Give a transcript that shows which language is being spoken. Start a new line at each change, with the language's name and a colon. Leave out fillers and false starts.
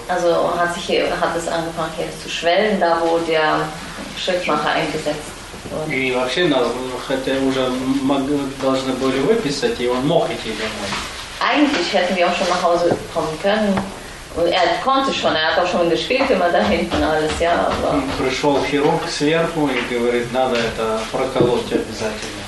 German: Also hat sich hier, hat es angefangen hier zu schwellen, da wo der Schrittmacher eingesetzt wurde.
Russian: И вообще, хотя уже должны были выписать, и он мог идти домой.
German: Eigentlich hätten wir auch schon nach Hause kommen können. Und er konnte schon, er hat auch schon gespielt immer da hinten alles, ja.
Russian: Пришел хирург сверху и говорит, надо это проколоть обязательно.